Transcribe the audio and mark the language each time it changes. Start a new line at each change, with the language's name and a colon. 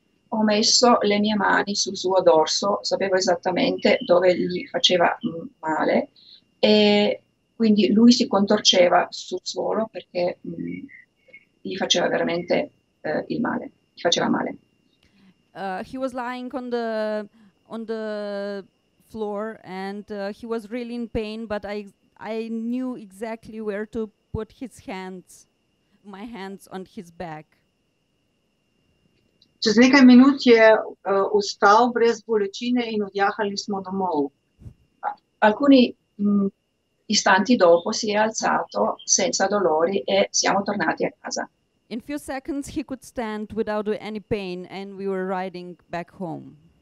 Italian: Ho messo le mie mani sul suo dorso, sapevo esattamente dove gli faceva male, e quindi lui si contorceva sul suolo perché gli faceva veramente il male, gli faceva male.
English: He was lying on the floor and he was really in pain, but I knew exactly where to put his hands, my hands on his back.
Slovenian: Čez nekaj minut je ostal brez bolečine in odjahali smo domov.
Italian: Alcuni Istanti dopo si è alzato senza dolori e siamo tornati a casa.
English: In few seconds he could stand without any pain and we were riding back home.